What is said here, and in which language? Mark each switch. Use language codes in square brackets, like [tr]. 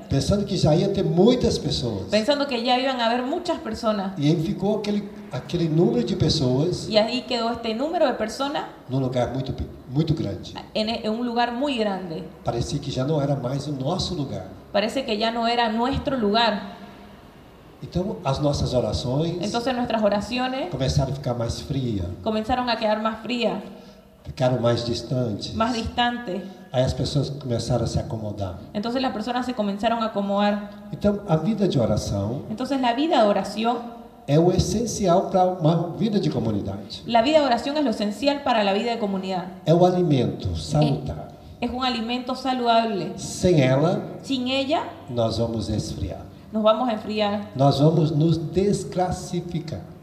[pt] Pensando que já ia ter muitas pessoas. [es] Pensando que ya iban a haber muchas personas. [pt] E aí ficou aquele número de pessoas. [es] Y ahí quedó este número de personas. [pt] Num lugar muito muito grande. [es] En un lugar muy grande. [pt] Parecia que já não era mais o nosso lugar. [es] Parece que ya no era nuestro lugar. [pt] Então as nossas orações. [es] Entonces nuestras oraciones. [pt] Começaram a ficar mais frias. [es] Comenzaron a quedar más frías. [pt] Ficaram mais distantes. [es] Más distantes. [pt] Aí as pessoas começaram a se acomodar. [es] Entonces las personas se comenzaron a acomodar. [pt] Então a vida de oração. [es] Entonces la vida de oración. [pt] É o essencial para uma vida de comunidade. [es] La vida de oración es lo esencial para la vida de comunidad. [pt] É o alimento salutar. [es] Es un alimento saludable. [pt] Sem ela. [es] Sin ella. [pt] Nós vamos esfriar. [es] Nos vamos a enfriar. [pt] Nós vamos nos desclassificar.